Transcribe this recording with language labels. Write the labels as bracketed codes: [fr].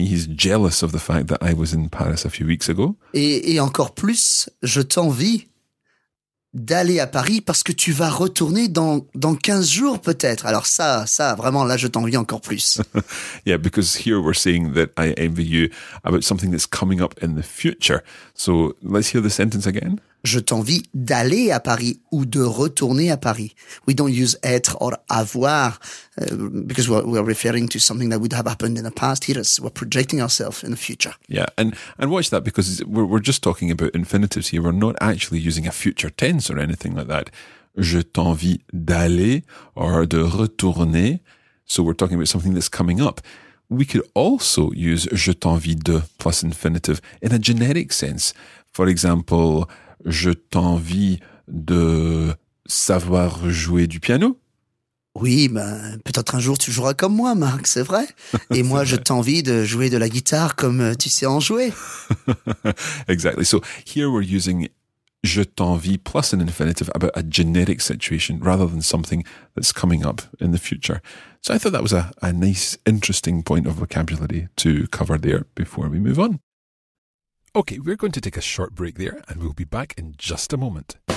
[en] He's jealous of the fact that I was in Paris a few weeks ago. [fr] Et encore plus, je t'envie d'aller à Paris parce que tu vas retourner dans 15 jours peut-être. Alors ça, vraiment là, je t'envie encore plus. [en] Yeah, because here we're saying that I envy you about something that's coming up in the future. So let's hear the sentence again. [fr] Je t'envie d'aller à Paris ou de retourner à Paris. [en] We don't use être or avoir because we're referring to something that would have happened in the past. Here, we're projecting ourselves in the future. Yeah, and watch that because we're just talking about infinitives here. We're not actually using a future tense or anything like that. [fr] Je t'envie d'aller [en] or [fr] de retourner. [en] So we're talking about something that's coming up. We could also use [fr] je t'envie de plus [en] infinitive in a generic sense. For example, [fr] je t'envie de savoir jouer du piano. Oui, ben, peut-être un jour tu joueras comme moi, Marc, c'est vrai. Et c'est moi, vrai. Je t'envie de jouer de la guitare comme tu sais en jouer. [en] Exactly. So here we're using [fr] je t'envie [en] plus an infinitive about a generic situation rather than something that's coming up in the future. So I thought that was a nice, interesting point of vocabulary to cover there before we move on. Okay, we're going to take a short break there and we'll be back in just a moment.